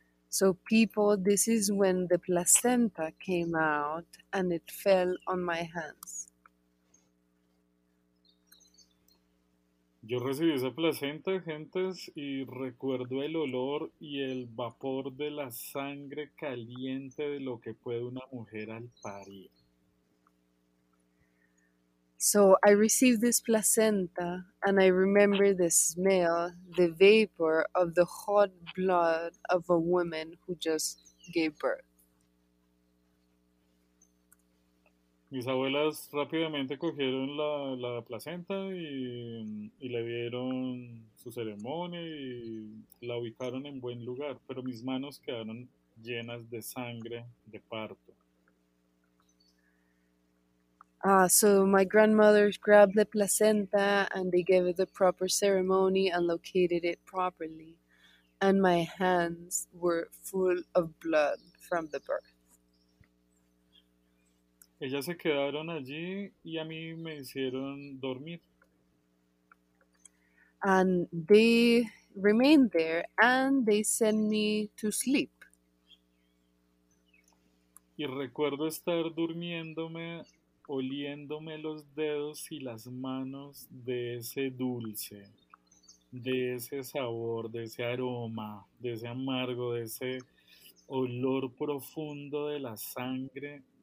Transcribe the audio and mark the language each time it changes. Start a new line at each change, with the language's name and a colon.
English: So people, this is when the placenta came out and it fell on my hands.
Spanish: Yo recibí esa placenta, gentes, y recuerdo el olor y el vapor de la sangre caliente de lo que puede una mujer al parir.
English: So I received this placenta and I remember the smell, the vapor of the hot blood of a woman who just gave birth.
Spanish: Mis abuelas rápidamente cogieron la placenta y le dieron su ceremonia y la ubicaron en buen lugar, pero mis manos quedaron llenas de sangre de parto.
English: So my grandmother grabbed the placenta and they gave it the proper ceremony and located it properly. And my hands were full of blood from the birth.
Spanish: Ellas se quedaron allí y a mí me hicieron dormir.
English: And they remained there and they sent me to sleep.
Spanish: Y recuerdo estar durmiéndome, oliéndome los dedos y las manos de ese dulce, de ese sabor, de ese aroma, de ese amargo, de ese olor profundo de la sangre.